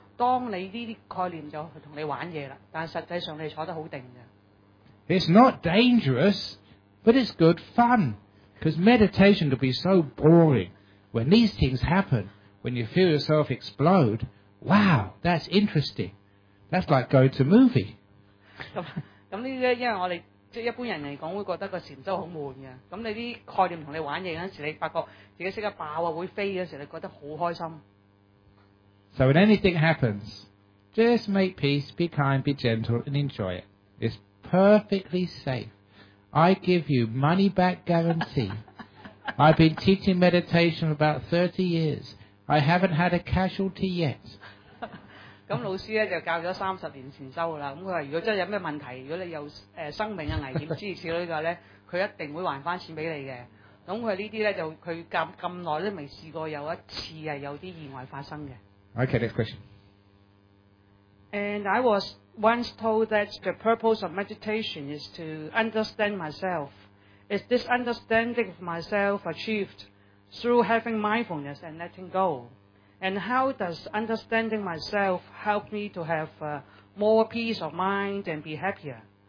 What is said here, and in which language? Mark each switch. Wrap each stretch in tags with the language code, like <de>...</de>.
<yue>當你呢啲概念就同你玩嘢啦，但實際上你坐得好定嘅。</yue> <en>It's not dangerous, but it's good fun. Because meditation could be so boring. When these things happen, when you feel yourself explode, wow, that's interesting. That's like going to movie.</en> <yue>咁呢啲咧，因為我哋。即一般人嚟講會覺得個禪修好悶嘅，咁你啲概念同你玩嘢嗰陣時，你發覺自己識得爆啊，會飛嗰時，你覺得好開心。</yue> <en>So when anything happens, just make peace, be kind, be gentle, and enjoy it. It's perfectly safe. I give you money back guarantee. I've been teaching meditation about 30 years. I haven't had a casualty yet.</en> <yue>咁老師咧就教咗30年禅修啦，咁佢話如果真係有咩問題，如果你有生命嘅危險之類嘅話咧，佢一定會還翻錢俾你嘅。咁佢呢啲咧就佢教咁耐都未試過有一次係有啲意外發生嘅。</yue> <en>Okay, next question. And I was once told that the purpose of meditation is to understand myself. Is this understanding of myself achieved through having mindfulness and letting go? And how does understanding myself help me to have more peace of mind and be happier?</en>